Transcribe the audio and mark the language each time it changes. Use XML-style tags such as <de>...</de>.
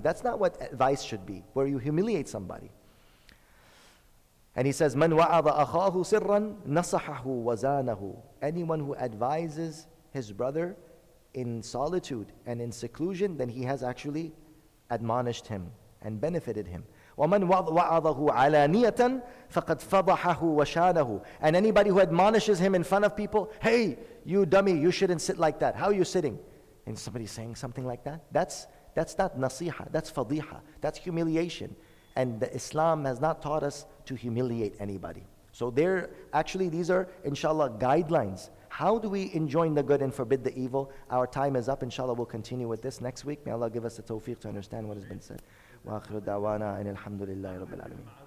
<en>That's not what advice should be, where you humiliate somebody. And he says,</en> <ar>من وعظ أخاه سرا نصحه وزانه.</ar> <en>Anyone who advises his brother in solitude and in seclusion, then he has actually admonished him and benefited him.</en> <ar>ومن وعظه علانية فقد فضحه وشانه.</ar> <en>And anybody who admonishes him in front of people, hey, you dummy, you shouldn't sit like that. How are you sitting? And somebody saying something like that? That's not nasiha, that's fadiha, that's humiliation. And the Islam has not taught us to humiliate anybody. So there, actually, these are, inshallah, guidelines. How do we enjoin the good and forbid the evil? Our time is up. Inshallah, we'll continue with this next week. May Allah give us the tawfiq to understand what has been said.</en> <ar>وآخر دعوانا أن الحمد لله رب العالمين.</ar>